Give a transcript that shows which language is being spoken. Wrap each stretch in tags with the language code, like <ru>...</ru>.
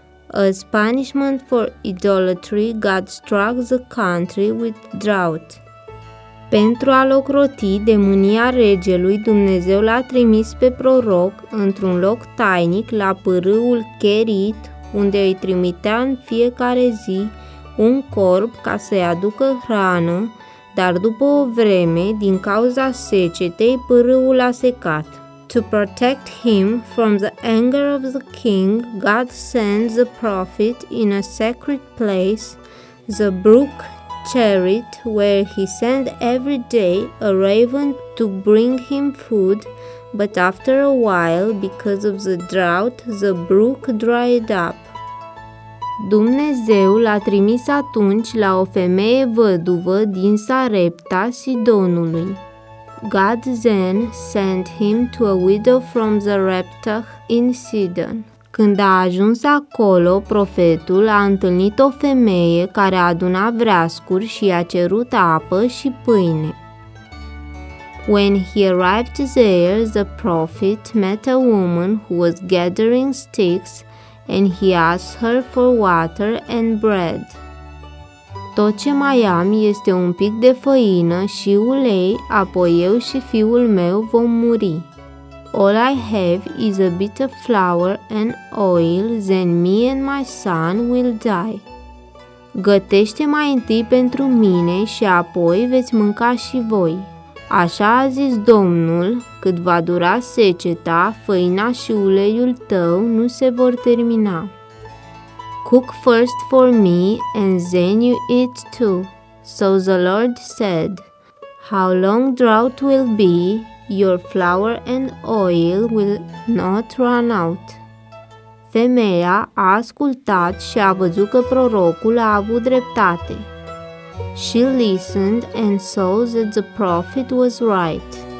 <en>As punishment for idolatry, God struck the country with drought.</en> <ro>Pentru a locroti de mânia regelui, Dumnezeu l-a trimis pe proroc într-un loc tainic la pârâul Cherit, unde îi trimitea în fiecare zi un corb ca să-i aducă hrană, dar după o vreme, din cauza secetei, pârâul a secat.</ro> <en>To protect him from the anger of the king, God sent the prophet in a sacred place, the brook Cherit, where he sent every day a raven to bring him food, but after a while, because of the drought, the brook dried up.</en> <ro>Dumnezeu l-a trimis atunci la o femeie văduvă din Sarepta, Sidonului.</ro> <en>God then sent him to a widow from Sarepta in Sidon.</en> <ro>Când a ajuns acolo, profetul a întâlnit o femeie care a adunat vreascuri și i-a cerut apă și pâine.</ro> <en>When he arrived there, the prophet met a woman who was gathering sticks and he asked her for water and bread.</en> <ro>Tot ce mai am este un pic de făină și ulei, apoi eu și fiul meu vom muri.</ro> <en>All I have is a bit of flour and oil, then me and my son will die.</en> <ro>Gătește mai întâi pentru mine și apoi veți mânca și voi. Așa a zis Domnul, cât va dura seceta, făina și uleiul tău nu se vor termina.</ro> <en>Cook first for me and then you eat too. So the Lord said, how long drought will be? Your flour and oil will not run out.</en> <ro>Femeia a ascultat și a văzut că prorocul a avut dreptate.</ro> <en>She listened and saw that the prophet was right.</en>